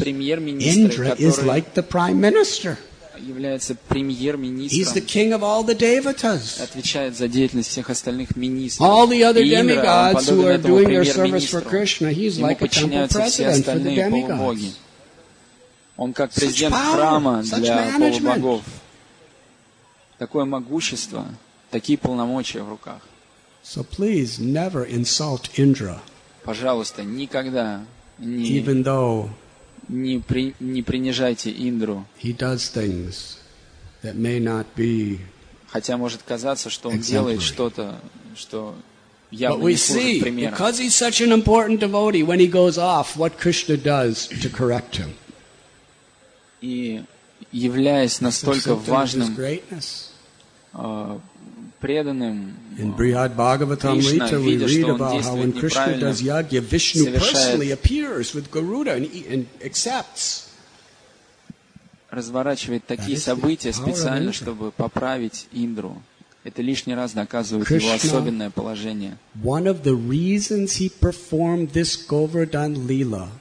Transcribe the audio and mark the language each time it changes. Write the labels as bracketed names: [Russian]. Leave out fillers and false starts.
[English] Indra is like the prime minister. He's the king of all the devatas. All the other demigods who are doing their service for Krishna, he's like a temple president for the demigods. Such power, such management. [Russian] Такое могущество, такие полномочия в руках. [English] So please never insult Indra. [Russian] Пожалуйста, никогда не принижайте Индру. [English] He does things that may not be. [Russian] Хотя может казаться, что он делает что-то, что явно не служит примером. [English] But we see, because he's such an important devotee, when he goes off, what Krishna does to correct him. [Russian] И являясь настолько важным преданным, [English] in Brihad Bhagavatam Rita, we read about how when Krishna does yajna, Vishnu personally appears with Garuda and accepts. [Russian] Разворачивает такие события специально, чтобы поправить Индру. Это лишний раз доказывает его особенное положение. [English] One of the reasons he performed this Govardhan Lila,